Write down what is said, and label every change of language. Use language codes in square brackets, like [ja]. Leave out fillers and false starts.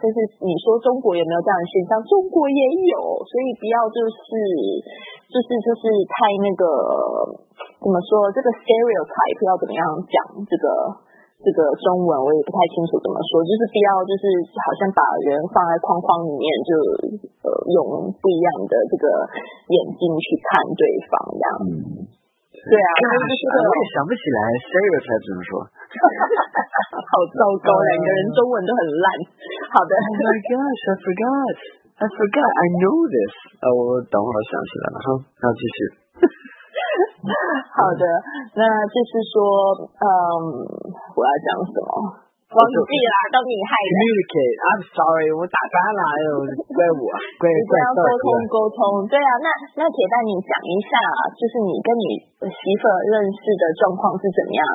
[zh] 但是你说中国有没有这样的现象？中国也有，所以不要就是太那个怎么说，这个 stereotype 要怎么样讲，这个中文我也不太清楚怎么说，就是不要就是好像把人放在框框里面就用不一样的这个眼睛去看对方这样。对啊，我也想不起来 stereotype 怎么说。好糟糕，两个人中文都很烂。好的。 [en] Oh my gosh, I forgot, I know this. [zh] 我等会儿想起来了哈，那继续。好的，那就是说，我要讲什么？忘记啦，都你害的。 [en] Communicate, I'm sorry, [zh] 我打断了，哎呦，怪我，怪我。你要沟通，对啊，那铁蛋，你讲一下，就是你跟你媳妇认识的状况是怎么样？